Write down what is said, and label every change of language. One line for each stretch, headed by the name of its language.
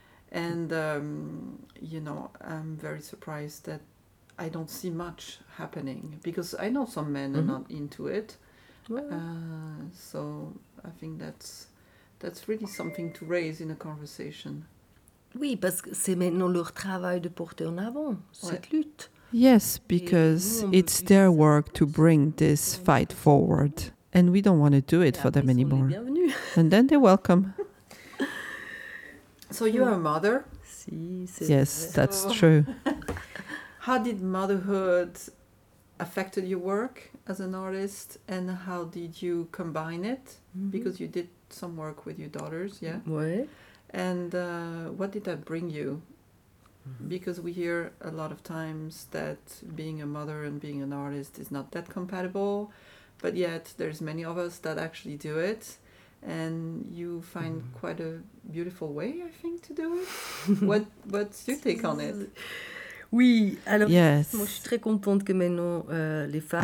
English: And, you know, I'm very surprised that I don't see much happening, because I know some men are not into it. So I think that's really something to raise in a conversation.
French: Oui, parce que c'est maintenant leur travail de porter en avant cette lutte.
English: Yes, because it's their work to bring this fight forward. And we don't want to do it for them anymore. And then they're welcome. So you are a mother? Yes, that's true. How did motherhood affect your work as an artist? And how did you combine it? Mm-hmm. Because you did some work with your daughters, yeah?
French: Oui.
English: And what did that bring you? Because we hear a lot of times that being a mother and being an artist is not that compatible, but yet there's many of us that actually do it, and you find quite a beautiful way, I think, to do it. What's your take on it?
French: Oui, alors, yes. Moi, je suis très contente que maintenant, les femmes